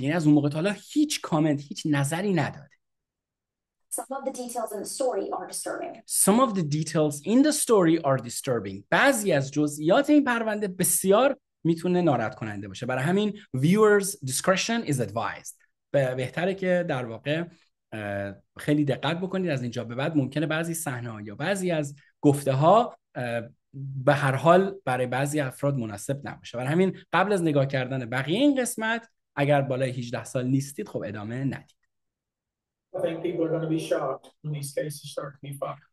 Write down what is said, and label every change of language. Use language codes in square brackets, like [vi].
[fa] یعنی از اون موقع تا حالا هیچ کامنت, هیچ نظری نداد. [en] Some of the details in the story are disturbing. [fa] بعضی از جزئیات این پرونده بسیار میتونه ناراحت کننده باشه. برای همین [en] viewers discretion is advised. [fa] بهتره که در واقع خیلی دقت بکنید. از اینجا به بعد ممکنه بعضی صحنه ها یا بعضی از گفته ها به هر حال برای بعضی افراد مناسب نباشه. برای همین قبل از نگاه کردن بقیه این قسمت اگر بالای 18 سال نیستید خب ادامه ندید. [en] I think people are going to be shocked when these cases start to be filed.